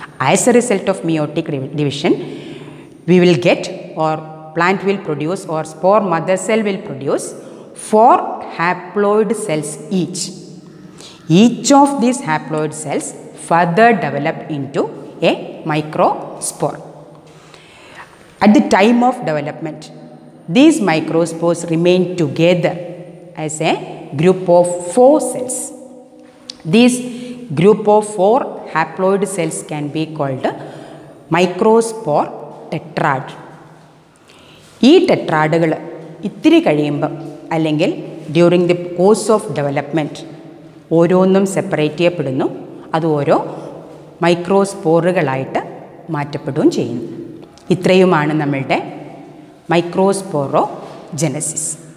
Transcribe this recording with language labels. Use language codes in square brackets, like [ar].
[en] As a result of meiotic division we will get or plant will produce or spore mother cell will produce four haploid cells each. Each of these haploid cells further developed into a microspore. At the time of development, these microspores remain together as a group of four cells. These group of four haploid cells can be called microspore tetrad. [ml] ഈ ടെട്രാഡുകൾ ഇത്തിരി കഴിയുമ്പം അല്ലെങ്കിൽ [en] during the course of development [ml] ഓരോന്നും separate ചെയ്യപ്പെടുന്നു, അത് ഓരോ മൈക്രോസ്പോറുകളായിട്ട് മാറ്റപ്പെടുകയും ചെയ്യുന്നു. ഇത്രയുമാണ് നമ്മളുടെ മൈക്രോസ്പോറോ ജെനസിസ്.